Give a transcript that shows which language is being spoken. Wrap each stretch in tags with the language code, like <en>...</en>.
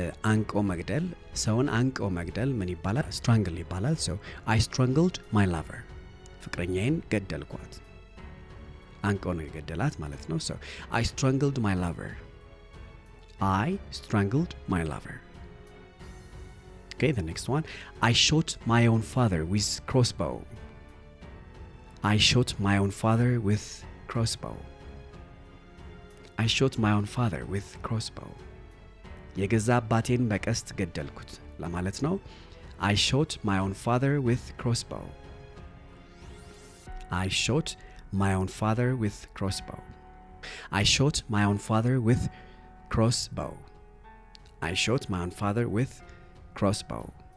<am>አንቆ መግደል ሰውን አንቆ መግደል ምን ይባላል? strangle ይባላል.</am> <en>so I strangled my lover.</en> <am>ፍቅረኛዬን ገደልኳት. አንቆ ነው የገደላት ማለት ነው.</am> <en>so I strangled my lover. I strangled my lover. Okay, the next one. I shot my own father with crossbow. I shot my own father with crossbow. I shot my own father with crossbow.</en> <am>የገዛ አባቴን በቀስት ገደልኩት ለማለት ነው.</am> <en>I shot my own father with crossbow. I shot my own father with crossbow. I shot my own father with crossbow. I shot my own father with crossbow.</en>